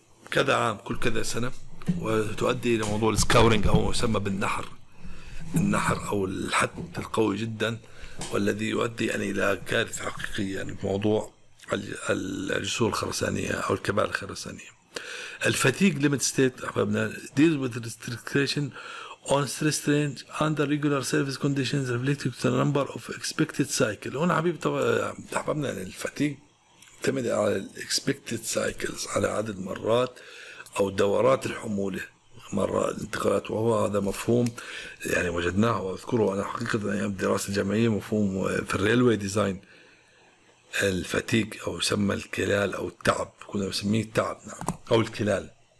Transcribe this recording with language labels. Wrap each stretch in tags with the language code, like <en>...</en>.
<ar>كذا عام كل كذا سنة، وتؤدي إلى موضوع السكاورينج أو يسمى بالنحر، النحر أو الحد القوي جدا، والذي يؤدي يعني إلى كارثة حقيقية بموضوع الجسور الخرسانية أو الكبائر الخرسانية. الفتيق ليميت ستيت أحبابنا</ar> <en>deals with restriction on stress range under regular service conditions related to the number of expected cycles.</en> <ar>هنا حبيبي طبعا أحبابنا يعني الفتيق يعتمد على الـ expected cycles، على عدد مرات أو دورات الحمولة، مرة الانتقالات، وهو هذا مفهوم يعني وجدناه وأذكره أنا حقيقة أيام الدراسة الجامعية، مفهوم في الريلوي ديزاين، الفتيق أو يسمى الكلال أو التعب، كنا نسميه التعب نعم أو الكلال.</ar>